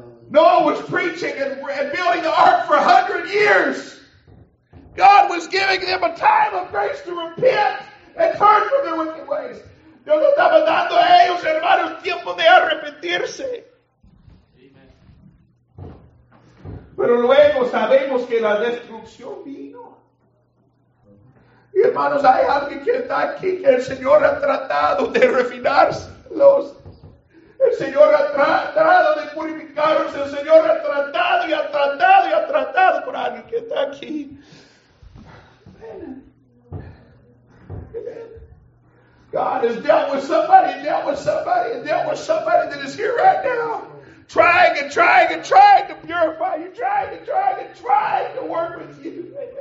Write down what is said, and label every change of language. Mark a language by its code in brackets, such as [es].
[en] Noah was preaching and building the ark for 100 years. God was giving them a time of grace to repent and turn from their wicked ways. [es] Dios estaba dando a ellos, hermanos, tiempo de arrepentirse. Pero luego sabemos que la destrucción vino. Y hermanos, hay alguien que está aquí que el Señor ha tratado de refinarlos. El Señor ha tratado de purificarse. El Señor ha tratado y ha tratado y ha tratado por alguien que está aquí. [en] God has dealt with somebody that is here right now. Trying and trying and trying to purify you. Trying and trying and trying to work with you.